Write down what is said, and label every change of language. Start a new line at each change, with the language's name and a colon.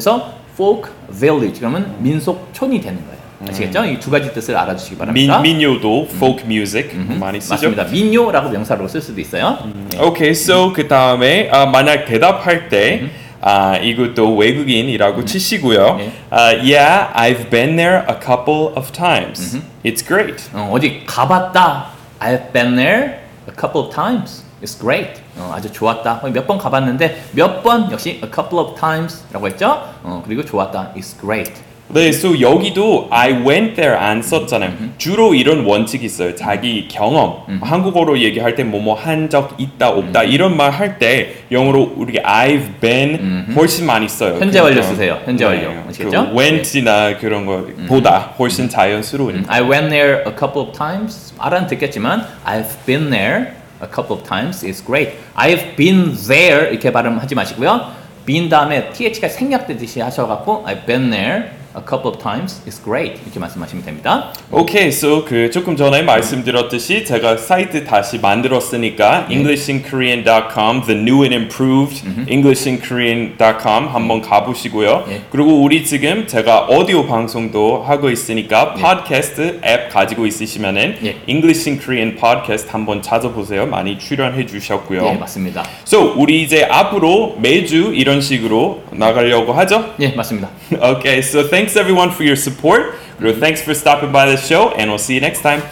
Korean: 그래서 folk village 그러면 민속촌이 되는 거예요. 아시겠죠? 이 두 가지 뜻을 알아주시기 바랍니다. 민요도 folk music 많이 쓰죠. 맞습니다. 민요라고 명사로 쓸 수도 있어요. 네. Okay, so 그 다음에 만약 대답할 때. 아, 이것도 외국인이라고 치시고요.
English: Yeah, I've been there a couple of times. It's great.
Korean: 어디 가봤다.
English: I've been there a couple of times. It's great.
Korean: 아주 좋았다. 몇 번 가봤는데 몇 번 역시 a couple of times라고 했죠. 그리고 좋았다.
English: It's great.
Korean: 네, so 여기도 I went there 안 썼잖아요. 주로 이런 원칙이 있어요. 자기 경험. 한국어로 얘기할 때 뭐뭐 한 적 있다 없다 이런 말 할 때 영어로 우리 I've been 훨씬 많이 써요. 현재 완료 쓰세요. 현재 완료. 아시겠죠? 그 went이나 그런 거 보다 훨씬 자연스러우니까.
English: I went there a couple of times.
Korean: 알아듣겠지만
English: I've been there a couple of times. It's great. I've been there
Korean: 이렇게 발음하지 마시고요. been 다음에 th가 생략되듯이 하셔갖고
English: I've been there. A couple of times is great.
Korean: 이렇게 말씀하시면 됩니다. Okay, so 그 조금 전에 말씀드렸듯이 제가 사이트 다시 만들었으니까 EnglishinKorean.com,
English: the new and improved EnglishinKorean.com
Korean: 한번 가보시고요. 그리고 우리 지금 제가 오디오 방송도 하고 있으니까 팟캐스트 앱 가지고 있으시면은 EnglishinKorean podcast 한번 찾아보세요. 많이 출연해 주셨고요. 네, 맞습니다. So 우리 이제 앞으로 매주 이런 식으로 나가려고 하죠? 네, 맞습니다.
English: Okay, so thanks everyone for your support. Thanks for stopping by the show, and we'll see you next time.